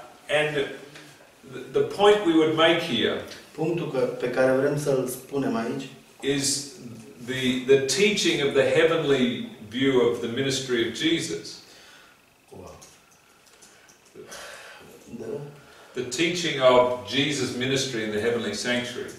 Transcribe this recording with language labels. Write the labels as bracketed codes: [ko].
[en] And the point we would make here, [ro] punctul pe care vrem să-l spunem aici, [en] is the teaching of the heavenly view of the ministry of Jesus. The teaching of Jesus' ministry in the heavenly sanctuary.